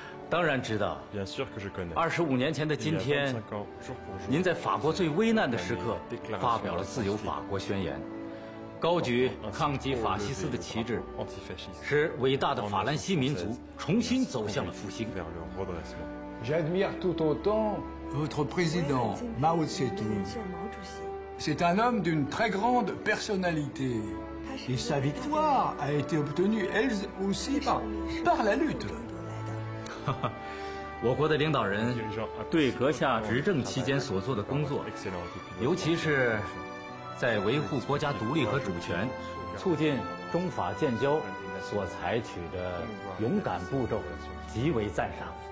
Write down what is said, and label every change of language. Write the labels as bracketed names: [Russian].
[Chinese] 当然知道。 25年前的今天，您在法国最危难的时刻发表了《自由法国宣言》，高举抗击法西斯的旗帜，使伟大的法兰西民族重新走向了复兴。 [French] J'admire tout autant votre président Mao Tse-tung. C'est un homme d'une très grande personnalité. Et sa victoire a été obtenue, elle aussi, par la lutte. [Chinese] 我国的领导人对阁下执政期间所做的工作，尤其是在维护国家独立和主权、促进中法建交所采取的勇敢步骤，极为赞赏。